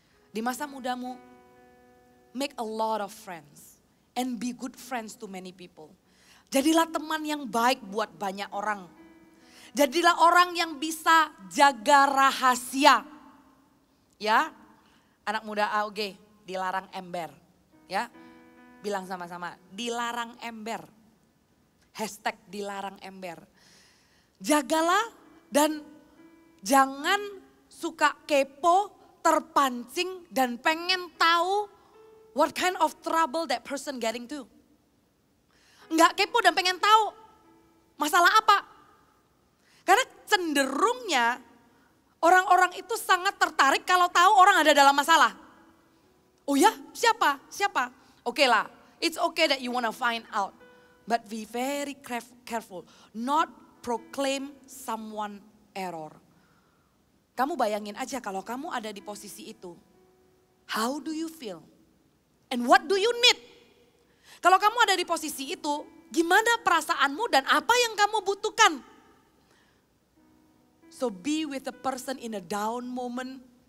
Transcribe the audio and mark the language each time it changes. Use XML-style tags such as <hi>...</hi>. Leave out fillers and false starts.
<id>Di masa mudamu,</id> <en>make a lot of friends and be good friends to many people.</en> <id>Jadilah teman yang baik buat banyak orang. Jadilah orang yang bisa jaga rahasia. Ya, anak muda AOG, dilarang ember. Ya, bilang sama-sama, dilarang ember. Hashtag dilarang ember. Jagalah dan jangan suka kepo, terpancing dan pengen tahu</id> <en>what kind of trouble that person getting to.</en> <id>Enggak kepo dan pengen tahu masalah apa. Karena cenderungnya orang-orang itu sangat tertarik kalau tahu orang ada dalam masalah. Oh ya, siapa? Siapa? Oke lah,</id> <en>it's okay that you wanna find out. But be very careful, not proclaim someone error.</en> <id>Kamu bayangin aja kalau kamu ada di posisi itu.</id> <en>How do you feel? And what do you need?</en> <id>Kalau kamu ada di posisi itu, gimana perasaanmu dan apa yang kamu butuhkan?</id> <en>So be with the person in a down moment.</en>